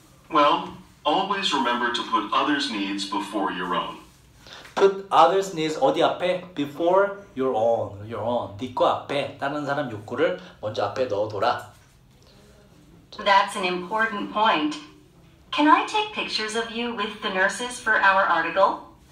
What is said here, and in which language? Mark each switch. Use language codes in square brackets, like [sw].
[en] Well, always remember to put others' needs before your own. Put others' needs [ko] 어디 앞에? [en] Before your own. Your own. [ko] 네 거 앞에. 다른 사람 욕구를 먼저 앞에 넣어둬라. [en] That's an important point. Can I take pictures of you with the nurses for our article?